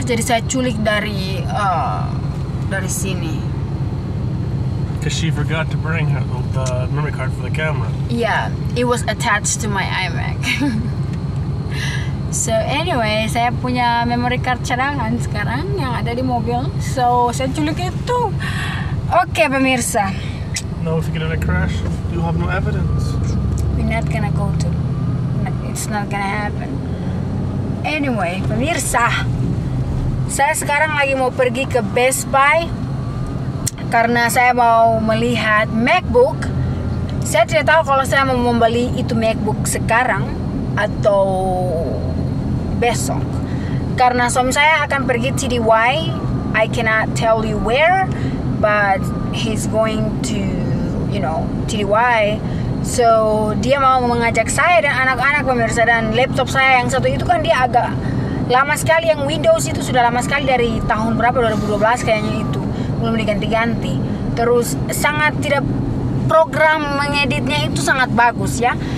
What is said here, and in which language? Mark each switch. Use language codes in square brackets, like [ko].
[id] Jadi saya culik dari sini. [en] Because she forgot to bring her the memory card for the camera. Yeah, it was attached to my iMac. So anyway, [id] saya punya memory card cadangan sekarang yang ada di mobil. So saya culik itu. Okay, pemirsa. [en] No, if you get in a crash, you have no evidence. We're not gonna go to. It's not gonna happen. [id] Anyway, pemirsa, saya sekarang lagi mau pergi ke Best Buy karena saya mau melihat MacBook. Saya tidak tahu kalau saya mau membeli itu MacBook sekarang atau besok. Karena suami saya akan pergi to DIY. [en] I cannot tell you where, but he's going to, you know, to DIY. [id] So, dia mau mengajak saya dan anak-anak, pemirsa, dan laptop saya yang satu itu kan dia agak lama sekali. Yang Windows itu sudah lama sekali, dari tahun berapa, 2012 kayaknya itu. Belum diganti-ganti. Terus, sangat tidak, program mengeditnya itu sangat bagus ya.